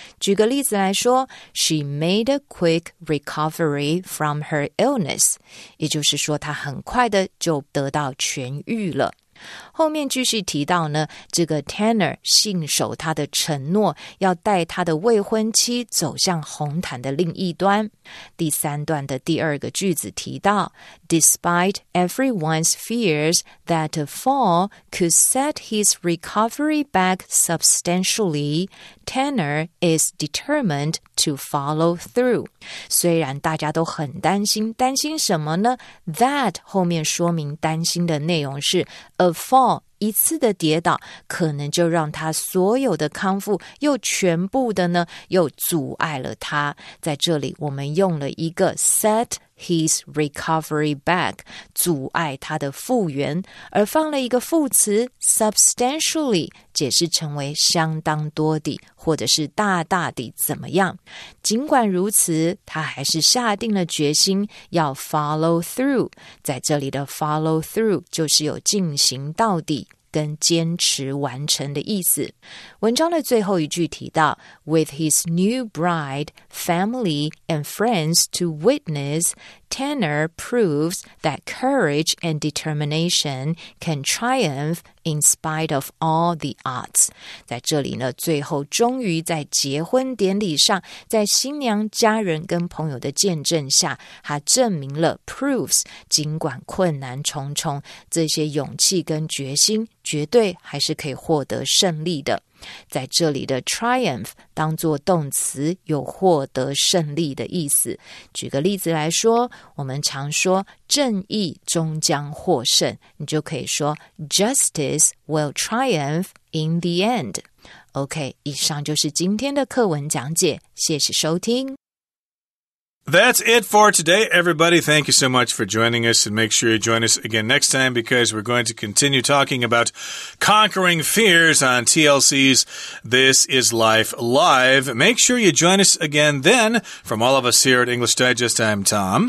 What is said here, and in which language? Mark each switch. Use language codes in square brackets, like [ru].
[zh] 举个例子来说 [en] ,She made a quick recovery from her illness. [zh] 也就是说他很快的就得到痊愈。后面继续提到呢，这个 Tanner 信守他的承诺，要带他的未婚妻走向红毯的另一端。第三段的第二个句子提到 [en] ,Despite everyone's fears that a fall could set his recovery back substantially, Tanner is determined to follow through. [zh] 虽然大家都很担心，担心什么呢 ? [en] That [zh] 后面说明担心的内容是 a fall, 一次的跌倒可能就让他所有的康复又全部的呢又阻碍了他。在这里我们用了一个 [en] set his recovery back, [zh] 阻碍他的复原，而放了一个副词 substantially, 解释成为相当多的或者是大大的怎么样。尽管如此他还是下定了决心要 follow through, 在这里的 follow through 就是有进行到底跟坚持完成的意思。文章的最后一句提到 [en] With his new bride, family and friends to witness, Tanner proves that courage and determination can triumph in spite of all the odds. [zh] 在这里呢，最后终于在结婚典礼上，在新娘家人跟朋友的见证下，他证明了 proves, 尽管困难重重，这些勇气跟决心绝对还是可以获得胜利的。在这里的 triumph 当作动词有获得胜利的意思。举个例子来说，我们常说正义终将获胜，你就可以说 [en] justice will triumph in the end. [zh] OK, 以上就是今天的课文讲解，谢谢收听。 [en] That's it for today, everybody. Thank you so much for joining us, and make sure you join us again next time because we're going to continue talking about conquering fears on TLC's This Is Life Live. Make sure you join us again then. From all of us here at English Digest, I'm Tom.